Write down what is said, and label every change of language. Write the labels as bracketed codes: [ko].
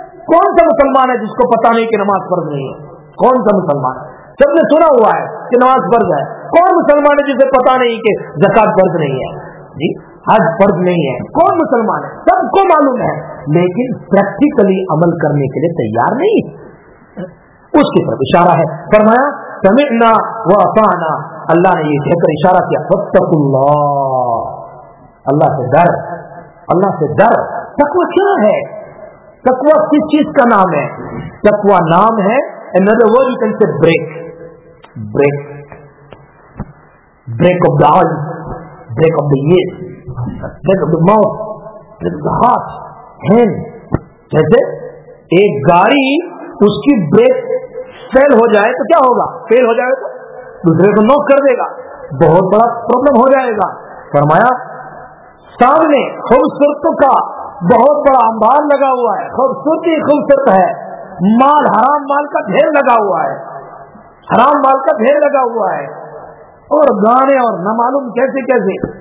[ur] کون سا مسلمان ہے جس کو پتا نہیں کہ نماز فرض نہیں ہے, کون سا مسلمان سب نے سنا ہوا ہے کہ نماز فرض ہے, کون مسلمان ہے جسے پتا نہیں کہ زکات فرض نہیں ہے, جی حج فرض نہیں ہے, کون مسلمان ہے سب کو معلوم ہے لیکن پریکٹیکلی عمل کرنے کے لیے تیار نہیں. اس کی طرف اشارہ ہے, فرمایا سمعنا واطعنا, اللہ نے یہ کہہ کر اشارہ کیا فتقوا اللہ, اللہ سے ڈر, اللہ سے ڈر. [en] تقوی کیا ہے, تقوی کس چیز کا نام ہے, تقوی نام ہے another word you can say break, break, break of the eyes, break of the ears, break of the mouth, break of the heart, hand. [ur] جیسے ایک گاڑی اس کی بریک فیل ہو جائے تو کیا ہوگا, فیل ہو جائے تو دوسرے کو نوک کر دے گا, بہت بڑا پرابلم ہو جائے گا. فرمایا سامنے خوبصورت کا بہت بڑا انبار لگا ہوا ہے, خوبصورتی خوبصورت ہے, مال حرام مال کا ڈھیر لگا ہوا ہے, حرام مال کا ڈھیر لگا ہوا ہے اور گانے اور نہ معلوم کیسے کیسے.